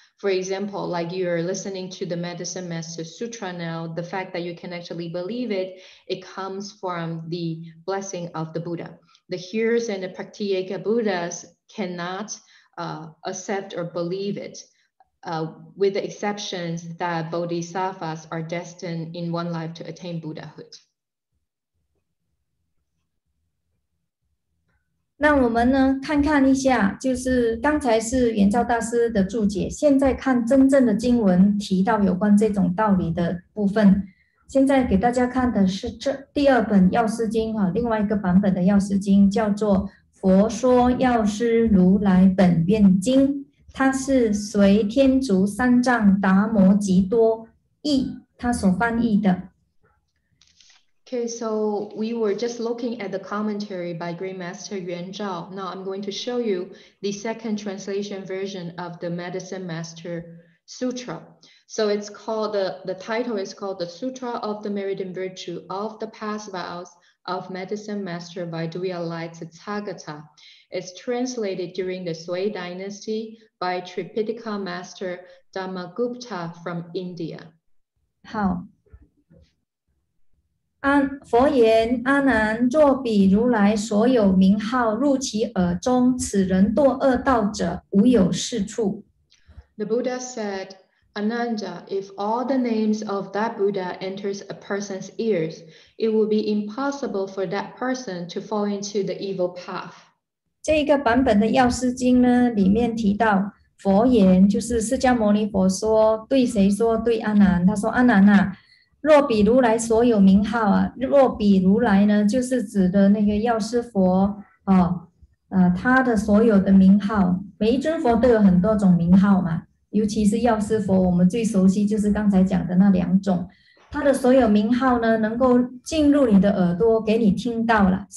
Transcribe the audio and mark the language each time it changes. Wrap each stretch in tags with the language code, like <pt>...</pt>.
<en>For example, like you're listening to the Medicine Master Sutra now, the fact that you can actually believe it, it comes from the blessing of the Buddha. The hearers and the Pratyeka Buddhas cannot accept or believe it, with the exceptions that Bodhisattvas are destined in one life to attain Buddhahood.</en> <zh>那我们呢看看一下，就是刚才是圆照大师的注解，现在看真正的经文提到有关这种道理的部分。现在给大家看的是这第二本药师经，另外一个版本的药师经叫做佛说药师如来本愿经，它是随天竺三藏达摩吉多译他所翻译的。</zh> <en>Okay, so we were just looking at the commentary by Great Master Yuan Zhao. Now I'm going to show you the second translation version of the Medicine Master Sutra. So it's called, the title is called the Sutra of the Meridian Virtue of the Past Vows of Medicine Master Vaiduya Lai Tathagata. It's translated during the Sui Dynasty by Tripitaka Master Dhammagupta from India.</en> <zh>好。佛言阿难作比如来所有名号入其耳中此人堕恶道者无有是处。</zh> <en>The Buddha said, Ananda, if all the names of that Buddha enters a person's ears, it will be impossible for that person to fall into the evil path.</en> <zh>这一个版本的药师经呢里面提到佛言就是释迦牟尼佛说对谁说对阿难他说阿难啊若比如来所有名号啊，若比如来呢，就是指的那个药师佛哦，他的所有的名号，每一尊佛都有很多种名号嘛，尤其是药师佛，我们最熟悉就是刚才讲的那两种，他的所有名号呢，能够进入你的耳朵，给你听到了。</zh>